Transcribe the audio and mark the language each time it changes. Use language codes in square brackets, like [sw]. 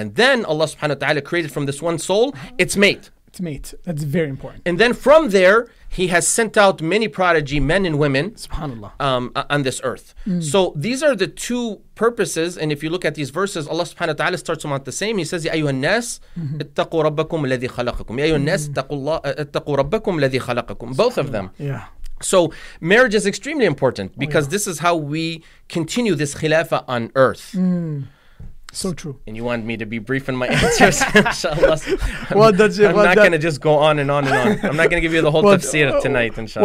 [en] And then Allah subhanahu wa ta'ala created from this one soul, its mate. Its mate. That's very important. And then from there, He has sent out many prodigy men and women. Subhanallah. On this earth. So these are the two purposes, and if you look at these verses, Allah subhanahu wa ta'ala starts them out the same. He says, [ar] يا أيها الناس اتقوا ربكم الذي خلقكم. يا أيها الناس اتقوا ربكم الذي خلقكم. [en] Both of them. Yeah. So marriage is extremely important because this is how we continue this khilafah on earth. So true. And you want me to be brief in my answers, inshallah. Well done, Sheikh. I'm not going to just go on and on and on. I'm not going to give you the whole tafsir tonight, inshallah.